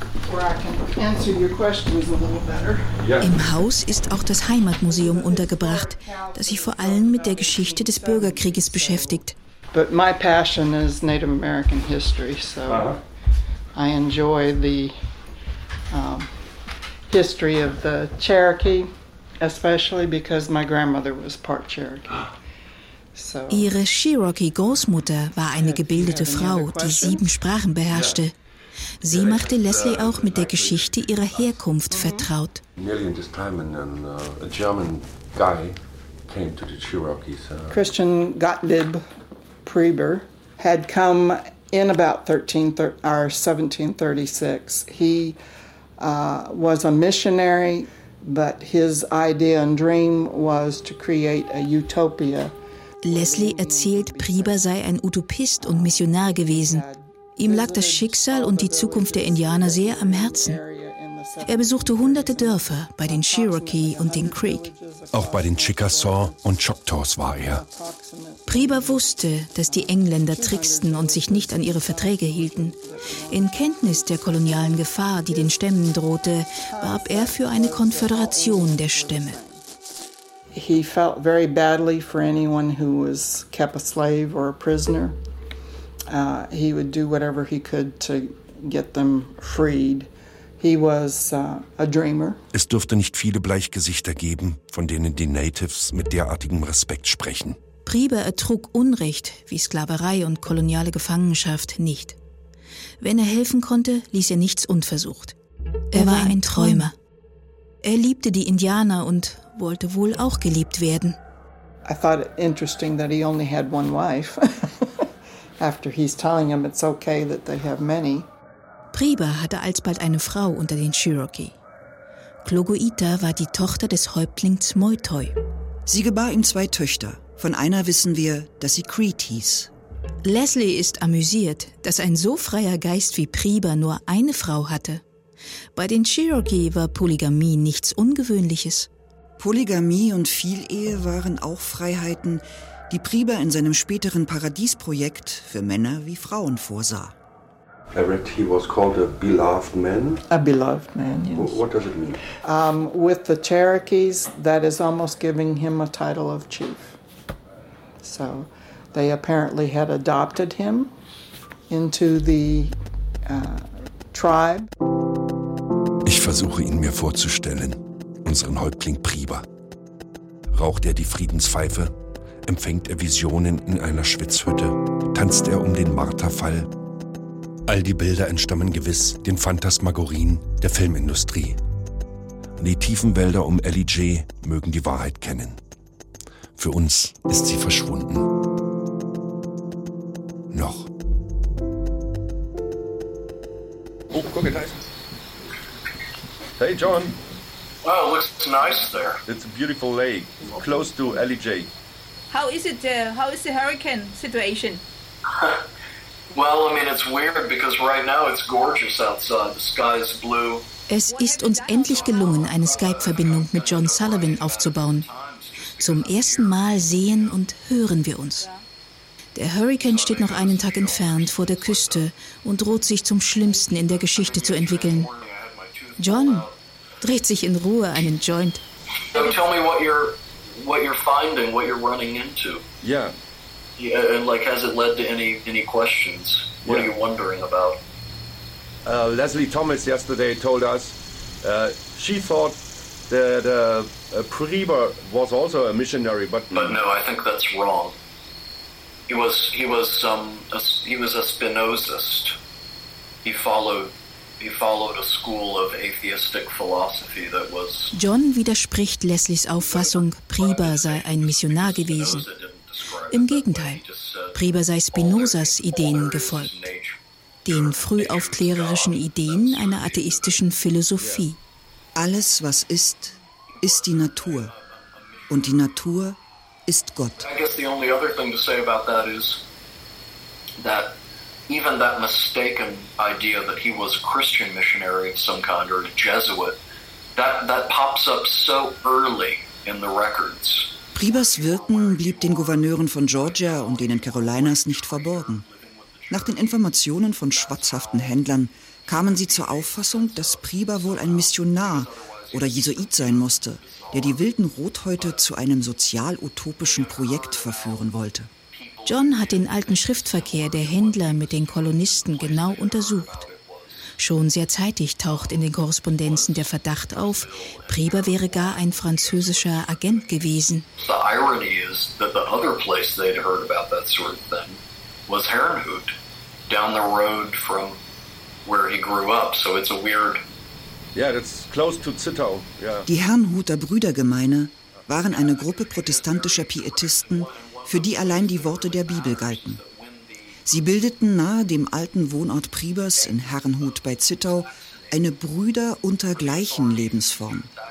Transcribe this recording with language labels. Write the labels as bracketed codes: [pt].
[en] Where I can answer your questions a little better. Yeah. [de] Im Haus ist auch das Heimatmuseum untergebracht, das sich vor allem mit der Geschichte des Bürgerkrieges beschäftigt. [en] But my passion is Native American history, so I enjoy the history of the Cherokee. Especially because my grandmother was part Cherokee. [de] So, ihre Cherokee-Großmutter war eine gebildete Frau, die sieben Sprachen beherrschte. Sie machte Leslie auch mit der Geschichte ihrer Herkunft vertraut. [en] Nearly in this time, and a German guy came to the Cherokees. Christian Gottlieb Priber had come in about 1736. He was a missionary. But his idea and dream was to create a utopia. [de] Leslie erzählt, Priber sei ein Utopist und Missionar gewesen. Ihm lag das Schicksal und die Zukunft der Indianer sehr am Herzen. Er besuchte hunderte Dörfer bei den Cherokee und den Creek. Auch bei den Chickasaw und Choctaws war er. Priber wusste, dass die Engländer tricksten und sich nicht an ihre Verträge hielten. In Kenntnis der kolonialen Gefahr, die den Stämmen drohte, warb er für eine Konföderation der Stämme. [en] He felt very badly for anyone who was kept a slave or a prisoner. He would do whatever he could to get them freed. He was a dreamer. [de] Es dürfte nicht viele Bleichgesichter geben, von denen die Natives mit derartigem Respekt sprechen. Priber ertrug Unrecht wie Sklaverei und koloniale Gefangenschaft nicht. Wenn er helfen konnte, ließ er nichts unversucht. Er war ein Träumer. Er liebte die Indianer und wollte wohl auch geliebt werden. [en] I thought it interesting that he only had one wife. After he's telling them it's okay that they have many. [de] Priba hatte alsbald eine Frau unter den Cherokee. Klogoita war die Tochter des Häuptlings Moitoi. Sie gebar ihm zwei Töchter. Von einer wissen wir, dass sie Creed hieß. Leslie ist amüsiert, dass ein so freier Geist wie Priba nur eine Frau hatte. Bei den Cherokee war Polygamie nichts Ungewöhnliches. Polygamie und Vielehe waren auch Freiheiten, die Priba in seinem späteren Paradiesprojekt für Männer wie Frauen vorsah. [en] Everett, he was called a beloved man. A beloved man, yes. What does it mean? With the Cherokees, that is almost giving him a title of chief. So they apparently had adopted him into the tribe. [de] Ich versuche ihn mir vorzustellen, unseren Häuptling Priba. Raucht er die Friedenspfeife? Empfängt er Visionen in einer Schwitzhütte? Tanzt er um den Marterfall? All die Bilder entstammen gewiss den Phantasmagorien der Filmindustrie. Die tiefen Wälder um Ellie J. mögen die Wahrheit kennen. Für uns ist sie verschwunden. Noch. Oh, guck, da ist. Hey, John. [en] Wow, it looks nice there. It's a beautiful lake, close to Ellie J. How is it there? How is the hurricane situation? Well, I mean, it's weird because right now it's gorgeous outside. The sky is blue. [de] Es ist uns endlich gelungen, eine Skype-Verbindung mit John Sullivan aufzubauen. Zum ersten Mal sehen und hören wir uns. Der Hurrikan steht noch einen Tag entfernt vor der Küste und droht sich zum Schlimmsten in der Geschichte zu entwickeln. John dreht sich in Ruhe einen Joint. [en] So tell me what you're finding, what you're running into. Yeah. Yeah, and like, has it led to any questions? What are you wondering about? Leslie Thomas yesterday told us she thought that Priba was also a missionary, but no, I think that's wrong. He was a Spinozist. He followed a school of atheistic philosophy that was. [de] John widerspricht Leslies Auffassung, Priba sei ein Missionar gewesen. Im Gegenteil, Priba sei Spinozas Ideen gefolgt, den frühaufklärerischen Ideen einer atheistischen Philosophie. Alles, was ist, ist die Natur. Und die Natur ist Gott. [en] I guess the only other thing to say about that is that even that mistaken idea that he was a Christian missionary of some kind or a Jesuit, that pops up so early in the records. [de] Pribas Wirken blieb den Gouverneuren von Georgia und denen Carolinas nicht verborgen. Nach den Informationen von schwatzhaften Händlern kamen sie zur Auffassung, dass Priba wohl ein Missionar oder Jesuit sein musste, der die wilden Rothäute zu einem sozial-utopischen Projekt verführen wollte. John hat den alten Schriftverkehr der Händler mit den Kolonisten genau untersucht. Schon sehr zeitig taucht in den Korrespondenzen der Verdacht auf, Priba wäre gar ein französischer Agent gewesen. [en] The irony is that the other place they'd heard about that sort of thing was Herrnhut, down the road from where he grew up. So it's a weird. Yeah, that's close to Zittau. Yeah. [de] Die Herrnhuter Brüdergemeine waren eine Gruppe protestantischer Pietisten, für die allein die Worte der Bibel galten. Sie bildeten nahe dem alten Wohnort Pribers in Herrnhut bei Zittau eine Brüder unter gleichen Lebensform.